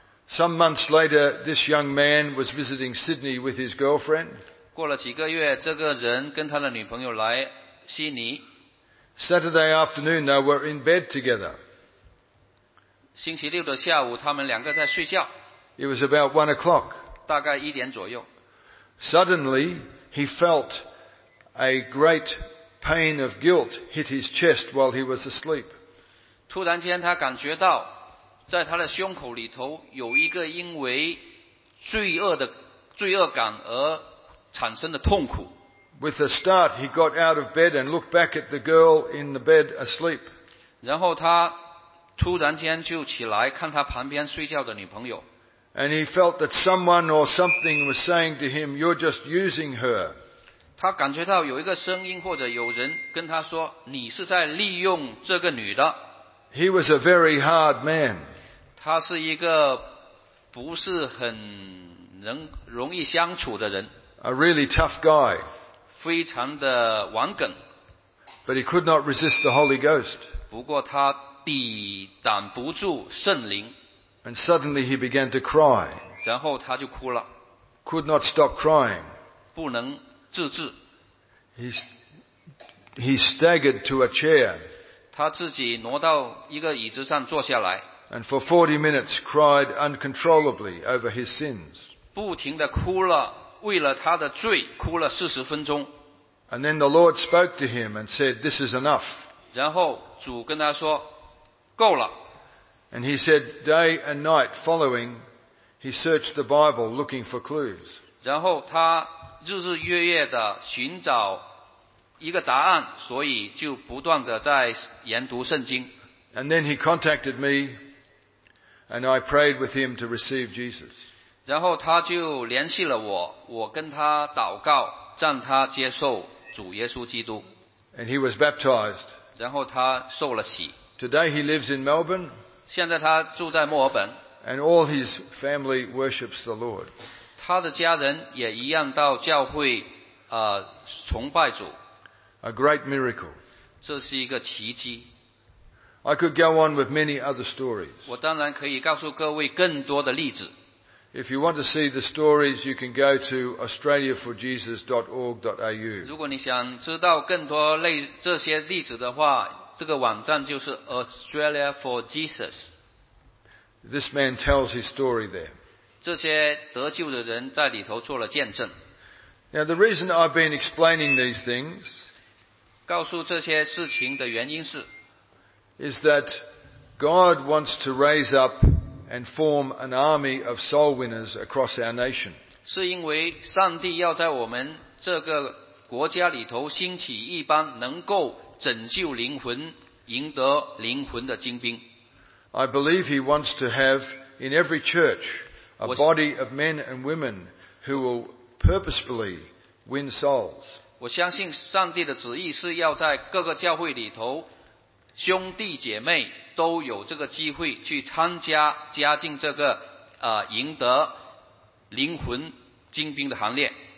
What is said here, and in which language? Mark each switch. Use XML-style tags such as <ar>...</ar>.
<en>Some months later, this young man was visiting Sydney with his girlfriend.</en> <zh>过了几个月，这个人跟他的女朋友来悉尼。</zh> <en>Saturday afternoon, they were in bed together.</en> <zh>星期六的下午，他们两个在睡觉。</zh> <en>It was about 1 o'clock.</en> <zh>大概一点左右。</zh> <en>Suddenly, he felt. A great pain of guilt hit his chest while he was asleep.</en> <zh>突然间他感觉到在他的胸口里头有一个因为罪恶感而产生的痛苦。</zh> <en>With a start, he got out of bed and looked back at the girl in the bed asleep.</en> <zh>然后他突然间就起来看他旁边睡觉的女朋友。</zh> <en>And he felt that someone or something was saying to him, "You're just using her."</en> <zh>他感觉到有一个声音或者有人跟他说你是在利用这个女的。</zh> <en>He was a very hard man.</en> <zh>他是一个不是很能容易相处的人。</zh> <en>A really tough guy.</en> <zh>非常的顽梗。</zh> <en>But he could not resist the Holy Ghost.</en> <zh>不过他抵挡不住圣灵。</zh> <en>And suddenly he began to cry.</en> <zh>然后他就哭了。</zh> <en>Could not stop crying.</en> <zh>不能</zh> <en>He staggered to a chair.</en> <zh>他自己挪到一个椅子上坐下来。</zh> <en>And for 40 minutes cried uncontrollably over his sins.</en> <zh>不停地哭了，为了他的罪哭了40分钟。</zh> <en>And then the Lord spoke to him and said, "This is enough."</en> <zh>然后主跟他说，够了。</zh> <en>And he said, day and night following, he searched the Bible looking for clues.</en> <zh>然后他日日月月地寻找一个答案，所以就不断地在研读圣经。</zh> <en>And then he contacted me, and I prayed with him to receive Jesus.</en> <zh>然后他就联系了我，我跟他祷告，让他接受主耶稣基督。</zh> <en>And he was baptized.</en> <zh>然后他受了洗。</zh> <en>Today he lives in Melbourne.</en> <zh>现在他住在墨尔本。</zh> <en>And all his family worships the Lord.</en> <zh>他的家人也一样到教会崇拜主。</zh> <en>A great miracle.</en> <zh>这是一个奇迹。</zh> <en>I could go on with many other stories.</en> <zh>我当然可以告诉各位更多的例子。</zh> <en>If you want to see the stories, you can go to australiaforjesus.org.au.</en> <zh>如果你想知道更多这些例子的话，这个网站就是 Australia for Jesus.</zh> <en>This man tells his story there.</en> <zh>这些得救的人在里头做了见证。</zh> <en>Now, the reason I've been explaining these things,</en> <zh>告诉这些事情的原因是</zh> <en>is that God wants to raise up and form an army of soul winners across our nation.</en> <zh>是因为上帝要在我们这个国家里头兴起一般能够拯救灵魂、赢得灵魂的精兵。</zh> <en>I believe he wants to have in every church a body of men and women who will purposefully win souls.</en> <zh>我相信上帝的旨意是要在各个教会里头，兄弟姐妹都有这个机会去参加加进这个赢得灵魂精兵的行列。</zh>